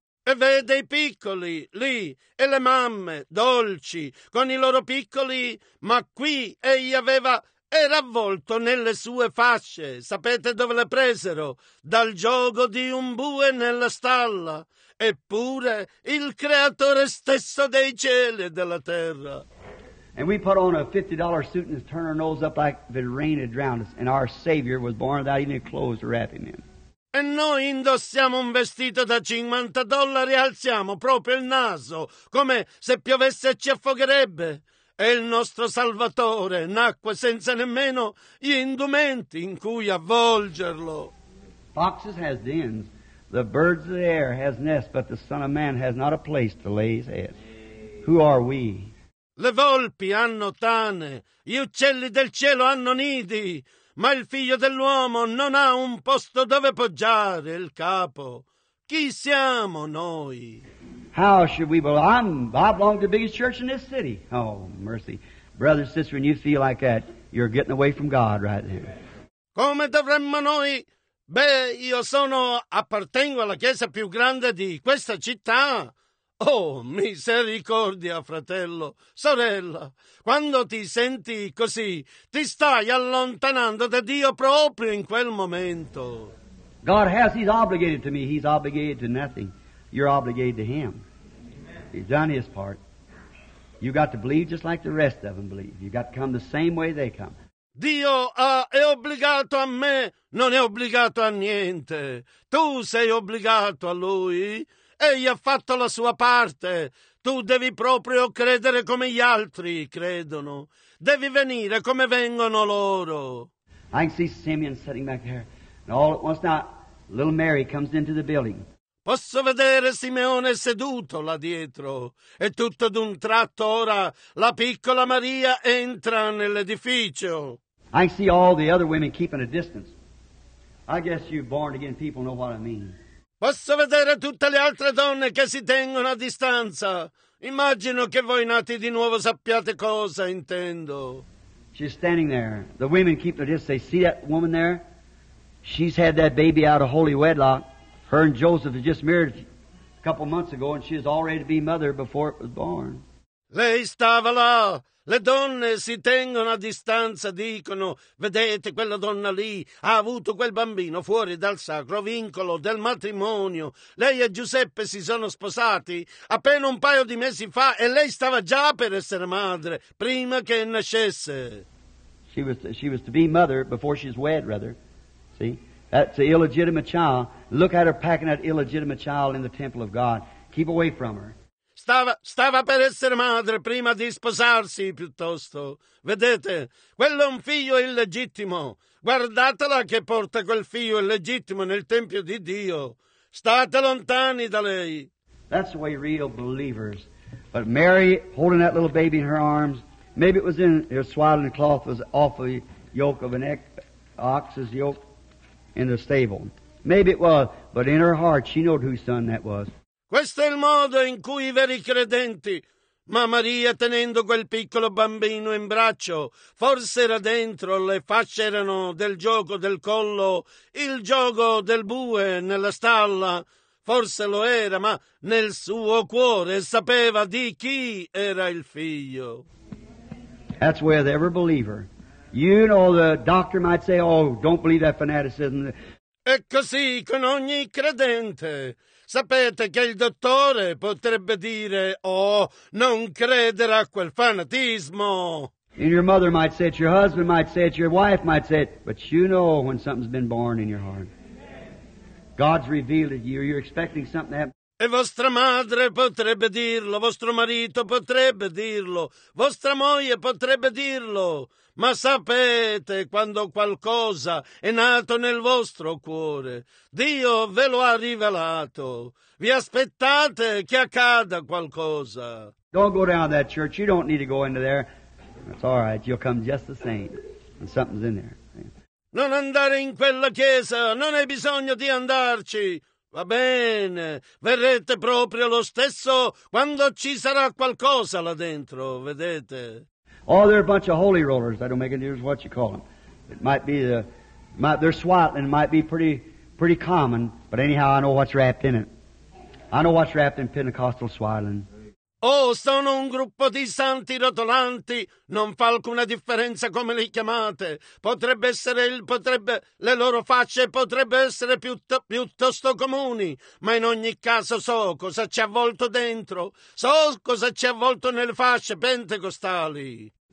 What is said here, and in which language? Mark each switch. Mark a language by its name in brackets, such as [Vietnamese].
[Italian] E vede i piccoli lì e le mamme dolci con i loro piccoli, ma qui egli aveva, era avvolto nelle sue fasce. Sapete dove le presero? Dal giogo di un bue nella stalla. Eppure il creatore stesso dei cieli e della terra. [English] And we put on a $50 suit and turn our nose up like if it rained and drowned us, and our Savior was born without even clothes to wrap him in. [Italian] E noi indossiamo un vestito da $50 e alziamo proprio il naso, come se piovesse ci affogherebbe. E il nostro Salvatore nacque senza nemmeno gli indumenti in cui avvolgerlo. [English] Foxes has dens, the birds of the air has nests, but the Son of Man has not a place to lay his head. Who are we? [Italian] Le volpi hanno tane, gli uccelli del cielo hanno nidi. Ma il figlio dell'uomo non ha un posto dove poggiare il capo. Chi siamo noi? [English] How should we belong? I belong to the biggest church in this city. Oh, mercy. Brother, sister, when you feel like that, you're getting away from God right there. [Italian] Come dovremmo noi? Beh, io sono, appartengo alla chiesa più grande di questa città. Oh, misericordia, fratello, sorella, quando ti senti così, ti stai allontanando da Dio proprio in quel momento. [English] God has, he's obligated to me, he's obligated to nothing. You're obligated to him. He's done his part. You got to believe just like the rest of them believe. You got to come the same way they come. [Italian] Dio è obbligato a me, non è obbligato a niente. Tu sei obbligato a lui. Egli ha fatto la sua parte. Tu devi proprio credere come gli altri credono. Devi venire come vengono loro. [English] I can see Simeon sitting back there. And all at once now, little Mary comes into the building. [Italian] Posso vedere Simeone seduto là dietro. E tutto d'un tratto ora la piccola Maria entra nell'edificio. [English] I can see all the other women keeping a distance. I guess you born again people know what I mean. [Italian] Posso vedere tutte le altre donne che si tengono a distanza. Immagino che voi nati di nuovo sappiate cosa intendo. [English] She's standing there. The women keep their distance. They see that woman there? She's had that baby out of holy wedlock. Her and Joseph had just married a couple months ago and she is already to be mother before it was born. [Italian] Lei stava là. Le donne si tengono a distanza, dicono, vedete quella donna lì, ha avuto quel bambino fuori dal sacro vincolo del matrimonio. Lei e Giuseppe si sono sposati appena un paio di mesi fa e lei stava già per essere madre, prima che nascesse. [English] She was to be mother before she's wed, rather. See? That's an illegitimate child. Look at her packing that illegitimate child in the temple of God. Keep away from her. [Italian] Stava per essere madre prima di sposarsi, piuttosto. Vedete, quello è un figlio illegittimo. Guardatela che porta quel figlio illegittimo nel tempio di Dio. State lontani da lei. [English] That's the way real believers. But Mary holding that little baby in her arms, maybe it was in her swaddling cloth was off a yoke of an ox's yoke in the stable. Maybe it was, but in her heart she knew whose son that was. [Italian] Questo è il modo in cui i veri credenti, ma Maria tenendo quel piccolo bambino in braccio, forse era dentro, le fasce erano del gioco del collo, il gioco del bue nella stalla, forse lo era, ma nel suo cuore sapeva di chi era il figlio. [English] That's with every believer. You know, the doctor might say, oh, don't believe that fanaticism. [Italian] E così con ogni credente. Sapete che il dottore potrebbe dire, oh, non credere a quel fanatismo. [English] And your mother might say it, your husband might say it, your wife might say it, but you know when something's been born in your heart. God's revealed it to you, you're expecting something to happen. [Italian] E vostra madre potrebbe dirlo, vostro marito potrebbe dirlo, vostra moglie potrebbe dirlo, ma sapete quando qualcosa è nato nel vostro cuore, Dio ve lo ha rivelato, vi aspettate che accada qualcosa. [English] Don't go down to that church, you don't need to go into there, it's all right, you'll come just the same, and something's in there. [Italian] Non andare in quella chiesa, non hai bisogno di andarci. Va bene, verrete proprio lo stesso quando ci sarà qualcosa là dentro, vedete. [English] Oh, they're a bunch of holy rollers. I don't make any difference what you call them. It might be they're swaddling. It might be pretty common, but anyhow, I know what's wrapped in it. I know what's wrapped in Pentecostal swaddling. [Italian] Oh, sono un gruppo di santi rotolanti. Non fa alcuna differenza come li chiamate. Potrebbe essere le loro facce potrebbe essere piuttosto comuni. Ma in ogni caso so cosa c'è avvolto dentro. So cosa c'è avvolto nelle facce pentecostali.